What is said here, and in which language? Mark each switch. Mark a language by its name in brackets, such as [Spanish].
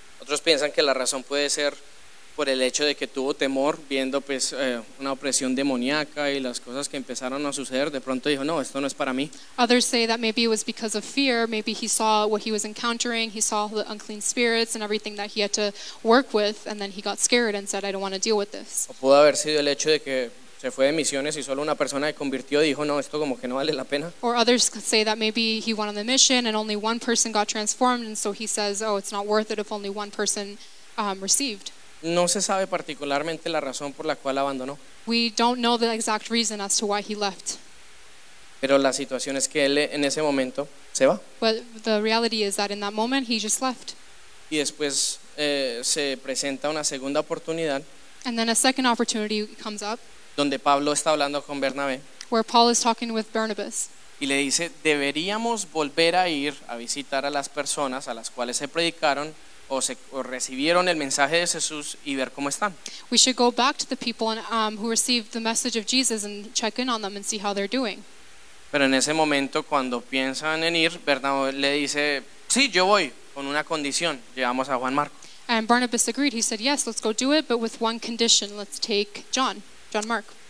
[Spanish] Otros piensan que la razón puede ser por el hecho de que tuvo temor viendo pues una opresión demoníaca y las cosas que empezaron a suceder, de pronto dijo, no, esto no es para mí. [English] Others say that maybe it was because of fear, maybe he saw what he was encountering, he saw the unclean spirits and everything that he had to work with, and then he got scared and said, I don't want to deal with this. [Spanish] O pudo haber sido el hecho de que se fue de misiones y solo una persona se convirtió y dijo, no, esto como que no vale la pena. [English] Or others could say that maybe he went on the mission and only one person got transformed, and so he says, oh, it's not worth it if only one person received. [Spanish] No se sabe particularmente la razón por la cual abandonó. [English] We don't know the exact reason as to why he left. [Spanish] Pero la situación es que él en ese momento se va. [English] But the reality is that in that moment he just left. [Spanish] Y después se presenta una segunda oportunidad. [English] And then a second opportunity comes up. [Spanish] Donde Pablo está hablando con Bernabé. [English] Where Paul is talking with Barnabas. [Spanish] Y le dice, deberíamos volver a ir a visitar a las personas a las cuales se predicaron. O recibieron el mensaje de Jesús y ver cómo están. [English] We should go back to the people and, who received the message of Jesus and check in on them and see how they're doing. [Spanish] Pero en ese momento cuando piensan en ir, Bernabé le dice, sí, yo voy, con una condición, llevamos a Juan Marco. [English] And Barnabas agreed, he said, yes, let's go do it, but with one condition, let's take John Mark.